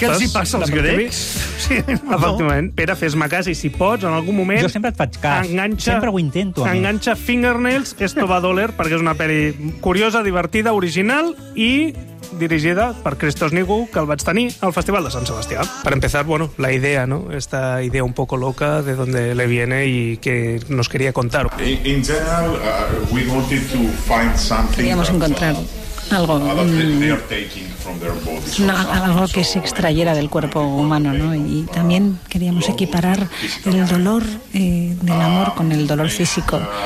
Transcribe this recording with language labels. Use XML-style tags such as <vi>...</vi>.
<ca>Però què els hi passa als grecs? Sí, no. Efectivament. Pere, fes-me cas, i si pots, en algun moment... Jo sempre et faig cas. Enganxa, sempre ho intento. Enganxa Fingernails, Esto va doler, perquè és una peli curiosa, divertida, original i... dirigida per Christos Nikou, que el vaig tenir al Festival de Sant Sebastià.</ca> <es>Per empezar, bueno, la idea, ¿no? Esta idea un poco loca de donde le viene y que nos quería contar.</es> <en>In general, we wanted to find something.</en> <es>Queríamos encontrar algo, algo que se extrayera del cuerpo humano, ¿no? Y también queríamos equiparar el dolor del amor con el dolor físico.</es>